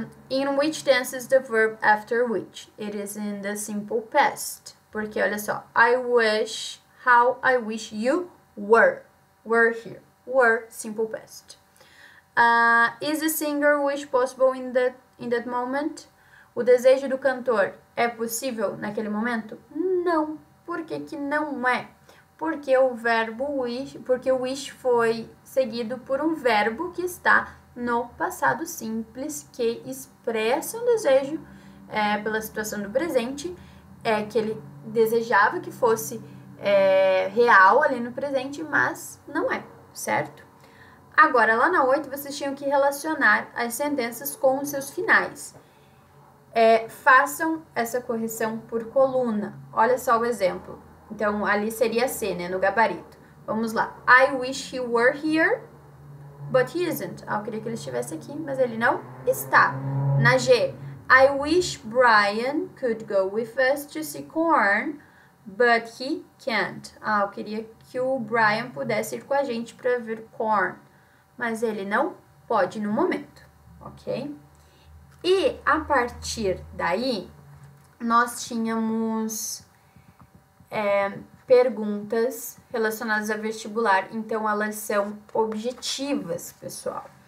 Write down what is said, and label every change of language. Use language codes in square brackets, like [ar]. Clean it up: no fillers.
[en] In which tense is the verb after which? It is in the simple past. [pt] Porque olha só, [en] I wish, how I wish you were here. Were simple past. Is the singer wish possible in that moment? [pt] O desejo do cantor é possível naquele momento? Não. Por que que não é? Porque o verbo wish, porque o wish foi seguido por um verbo que está no passado simples, que expressa um desejo pela situação do presente, é que ele desejava que fosse real ali no presente, mas não é, certo? Agora, lá na 8, vocês tinham que relacionar as sentenças com os seus finais. Façam essa correção por coluna. Olha só o exemplo. Então, ali seria C, né, no gabarito. Vamos lá. [en] I wish he were here. But he isn't. [pt] Eu queria que ele estivesse aqui, mas ele não está. Na G, [en] I wish Brian could go with us to see corn, but he can't. [pt] Eu queria que o Brian pudesse ir com a gente para ver corn, mas ele não pode no momento, ok? E a partir daí, nós tínhamos perguntas relacionadas a vestibular, então elas são objetivas, pessoal.